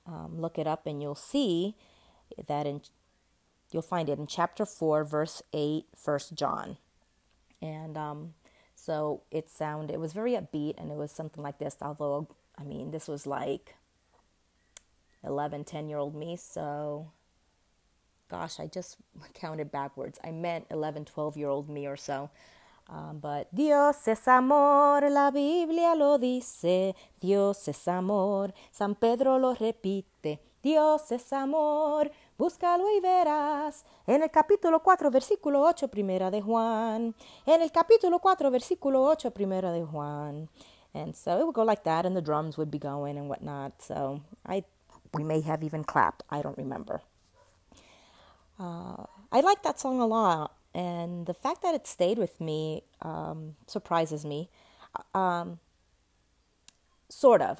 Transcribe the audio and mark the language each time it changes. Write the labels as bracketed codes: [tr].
[en] Look it up and you'll see that you'll find it in chapter 4, verse 8, 1 John. And it was very upbeat, and it was something like this, although, I mean, this was like 11, 10-year-old me, so, gosh, I just counted backwards. I meant 11, 12-year-old me or so. [es] But Dios es amor, la Biblia lo dice, Dios es amor, San Pedro lo repite, Dios es amor, búscalo y verás, en el capítulo 4, versículo 8, primera de Juan, en el capítulo 4, versículo 8, primera de Juan. [en] And so it would go like that, and the drums would be going and whatnot, so we may have even clapped, I don't remember. I like that song a lot. And the fact that it stayed with me surprises me, sort of.